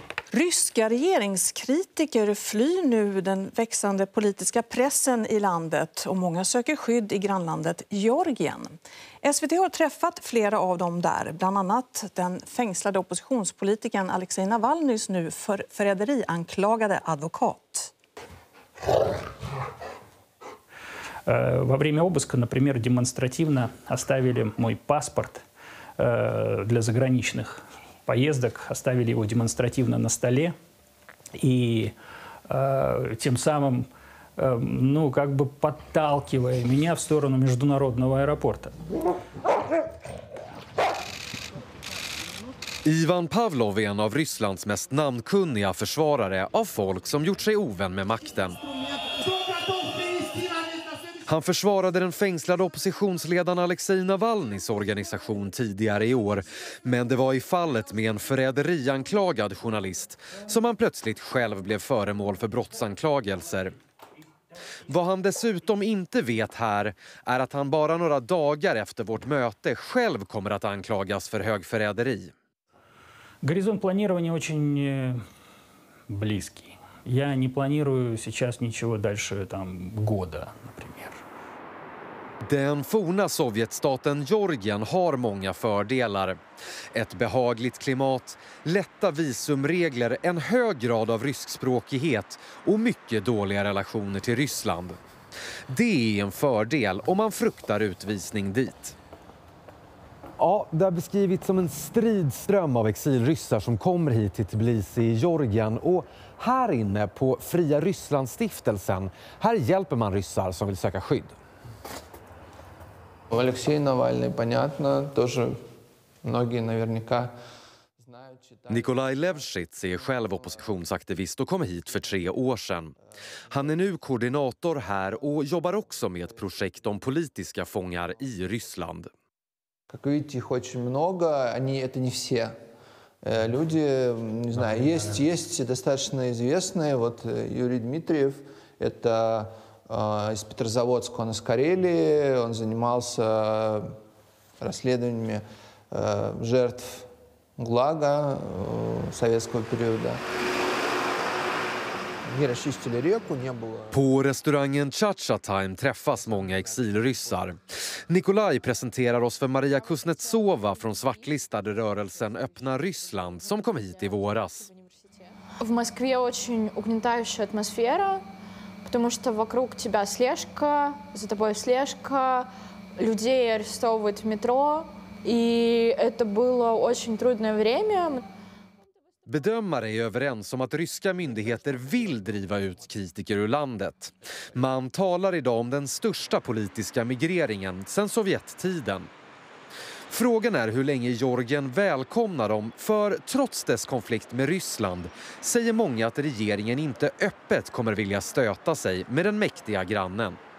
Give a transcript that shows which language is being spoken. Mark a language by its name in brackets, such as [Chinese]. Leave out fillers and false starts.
[Swedish] Ryska regeringskritiker flyr nu den växande politiska pressen i landet och många söker skydd i grannlandet Georgien. SVT har träffat flera av dem där, bland annat den fängslade oppositionspolitikern Alexej Navalnys nu för förräderi anklagade advokat. [Russian] Во время обыска, например, демонстративно оставили мой паспорт для заграничных поездок, оставили его демонстративно на столе и тем самым, подталкивая меня в сторону международного аэропорта. [Swedish] Ivan Pavlov är en av Rysslands mest namnkunniga försvarare av folk som gjort sig ovän med makten. Han försvarade den fängslade oppositionsledaren Alexej Navalnys organisation tidigare i år. Men det var i fallet med en förräderianklagad journalist som han plötsligt själv blev föremål för brottsanklagelser. Vad han dessutom inte vet här är att han bara några dagar efter vårt möte själv kommer att anklagas för högförräderi. [Russian] Горизонт планирования очень близкий. Я не планирую сейчас ничего дальше там года, например. [Swedish] Den forna sovjetstaten Georgien har många fördelar. Ett behagligt klimat, lätta visumregler, en hög grad av ryskspråkighet och mycket dåliga relationer till Ryssland. Det är en fördel om man fruktar utvisning dit. Ja, det har beskrivits som en stridström av exilryssar som kommer hit till Tbilisi i Georgien. Och här inne på Fria Rysslandsstiftelsen, här hjälper man ryssar som vill söka skydd. Nikolaj Levshits är själv oppositionsaktivist och kom hit för 3 år sedan. Han är nu koordinator här och jobbar också med ett projekt om politiska fångar i Ryssland. [Russian] Как видите, их очень много. Они это не все люди, не знаю, есть достаточно известные. Вот Юрий Дмитриев, это из Петрозаводска, он из Карелии, он занимался расследованиями жертв ГУЛАГа советского периода. Не расчистили реку, не было. [Swedish] По ресторане Чача Тайм träffas många exilryssar. Николай presenterar oss för Maria Kuznetsova från svartlistade rörelsen Öppna Ryssland som kom hit i våras. [Russian] В Москве очень угнетающая атмосфера. Потому что вокруг тебя слежка, за тобой слежка, людей арестовывают в метро, и это было очень трудное время. [Swedish] Bedömare är överens om att ryska myndigheter vill driva ut kritiker ur landet. Man talar idag om den största politiska migreringen sedan sovjettiden. Frågan är hur länge Georgien välkomnar dem, för trots dess konflikt med Ryssland säger många att regeringen inte öppet kommer vilja stöta sig med den mäktiga grannen.